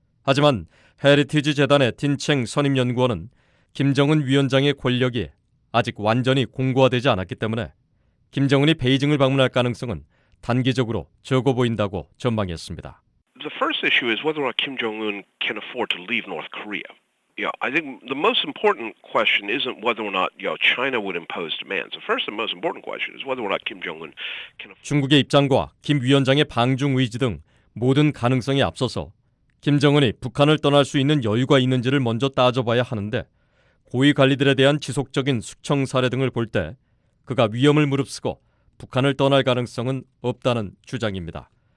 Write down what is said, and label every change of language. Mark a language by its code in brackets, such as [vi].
[ko] 하지만 헤리티지 재단의 딘챙 선임연구원은 김정은 위원장의 권력이 아직 완전히 공고화되지 않았기 때문에 김정은이 베이징을 방문할 가능성은 단기적으로 적어 보인다고 전망했습니다. [en] The first issue is whether Kim Jong-un can afford to leave North Korea. Yeah, I think the most important question isn't whether or not China would impose demands. The first and most important question is whether or not Kim Jong-un can afford. [ko] 중국의 입장과 김 위원장의 방중 의지 등 모든 가능성에 앞서서 김정은이 북한을 떠날 수 있는 여유가 있는지를 먼저 따져봐야 하는데 고위 관리들에 대한 지속적인 숙청 사례 등을 볼 때 그가 위험을 무릅쓰고 북한을 떠날 가능성은 없다는 주장입니다.